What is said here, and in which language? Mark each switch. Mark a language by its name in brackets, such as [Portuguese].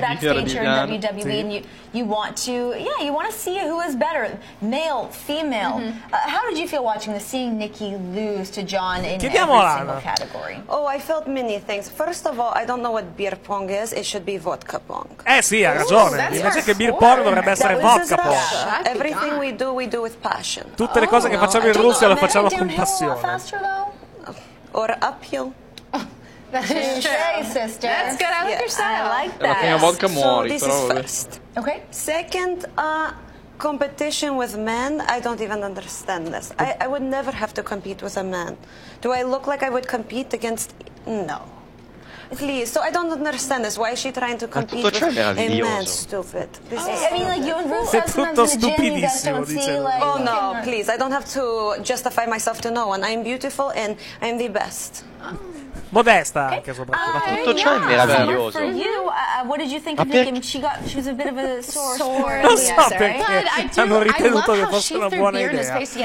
[English] backstage here in WWE, and you want to, you want to see who is better, male, female. Mm-hmm. How did you feel watching this, seeing Nikki lose to John in every single category? Oh, I felt many things. First of all, I don't know what beer pong is. It should be vodka pong. [Italian] Sì, ha ragione. Invece che beer pong dovrebbe essere vodka pong. [English] Everything we do with passion. [Italian] Tutte le cose che facciamo in Russia le facciamo con passione. [English] Or uphill. That's true, sister. That's good. I like your style. I like that. [Italian] È la prima volta che muori, [English] so this [Italian] però, [English] is first. Okay. Second, competition with men. I don't even understand this. I would never have to compete with a man. Do I look like I would compete against? No. Please. So I don't understand this. Why is she trying to compete with a man? Stupid. This is stupid. I mean, like you and Rusev sometimes in the gym, you guys don't see like. Oh no! Please, I don't have to justify myself to no one. I am beautiful and I am the best. [Italian] Modesta anche soprattutto. Tutto ciò è meraviglioso. [English] For you, what did you think of Nikki? She was a bit of a sore. [Italian] Non so perché hanno ritenuto che fosse una buona idea.